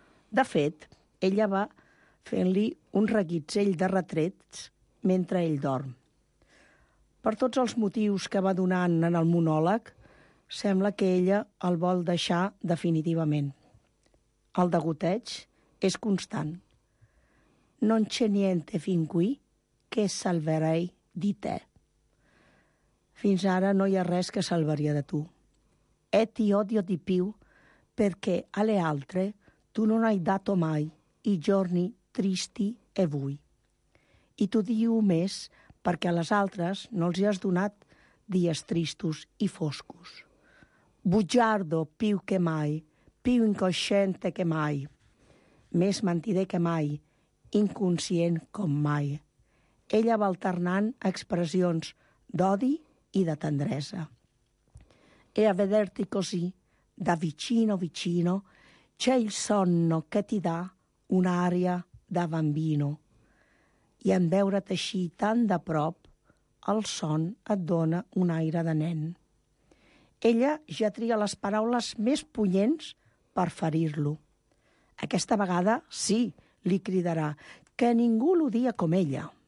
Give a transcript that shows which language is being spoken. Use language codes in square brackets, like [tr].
[ca] De fet, ella va fent-li un reguitzell de retrets mentre ell dorm. Per tots els motius que va donant en el monòleg, sembla que ella el vol deixar definitivament. El degoteig és constant. [it] Non c'è niente fin qui che salverei di te. [ca] Fins ara no hi ha res que salvaria de tu. [it] E ti odio di più perché alle altre tu non hai dato mai i giorni tristi e vui. [ca] I tu diu més perquè a les altres no els hi has donat dies tristos i foscos. [it] Bugiardo più che mai, più incosciente che mai, [ca] més mentider que mai, inconscient com mai. Ella va alternant expressions d'odi i de tendresa. [it] E a vederti così, da vicino vicino, c'è il sonno che ti dà un'aria da bambino. [ca] I en veure't així tan de prop, el son et dona un aire de nen. Ella ja tria les paraules més punyents per ferir-lo. Aquesta vegada, sí, li cridarà, que ningú l'odia com ella.